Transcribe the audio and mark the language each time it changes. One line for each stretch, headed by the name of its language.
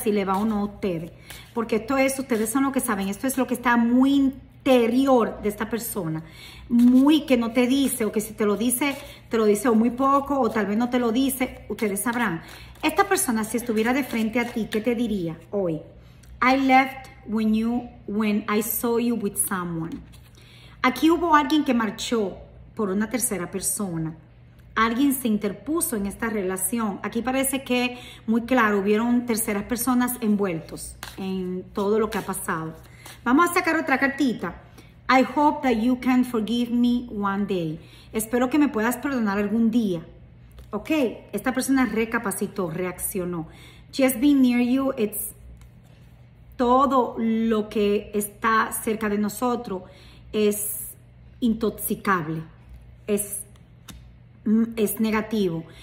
Spanish: Si le va o no a ustedes. Porque esto es, ustedes son los que saben. Esto es lo que está muy interior de esta persona. Muy que no te dice, o que si te lo dice, te lo dice o muy poco, o tal vez no te lo dice. Ustedes sabrán. Esta persona, si estuviera de frente a ti, ¿qué te diría hoy?
English: I left when I saw you with someone.
Spanish: Aquí hubo alguien que marchó por una tercera persona. Alguien se interpuso en esta relación. Aquí parece que, muy claro, hubieron terceras personas envueltos en todo lo que ha pasado. Vamos a sacar otra cartita.
English: I hope that you can forgive me one day.
Spanish: Espero que me puedas perdonar algún día. Ok, esta persona recapacitó, reaccionó.
English: Just being near you, it's...
Spanish: Todo lo que está cerca de nosotros es intoxicable, es negativo.